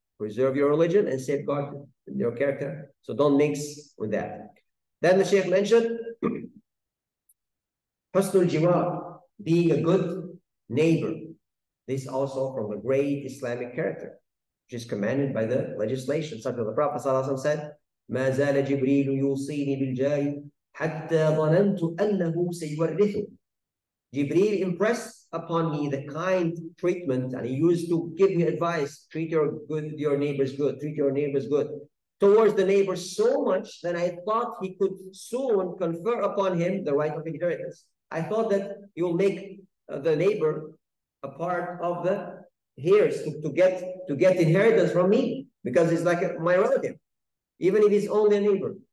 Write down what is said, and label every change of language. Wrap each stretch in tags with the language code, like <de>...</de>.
<en>Preserve your religion and safeguard your character. So don't mix with that. Then the Shaykh mentioned Husnul Jimar, being a good neighbor. This also from a great Islamic character, which is commanded by the legislation.</en> <ar>Such as the Prophet ﷺ said, مَا زَالَ جِبْرِيلُ يُوصِينِ بِالْجَارِ حَتَّى ظَنَنْتُ أَنَّهُ سَيُوَرِّثُ.</ar> <en>Jibreel impressed upon me the kind treatment, and he used to give me advice, treat your neighbors good, towards the neighbors so much that I thought he could soon confer upon him the right of inheritance. I thought that he will make the neighbor a part of the heirs to get inheritance from me, because he's like my relative, even if he's only a neighbor.</en>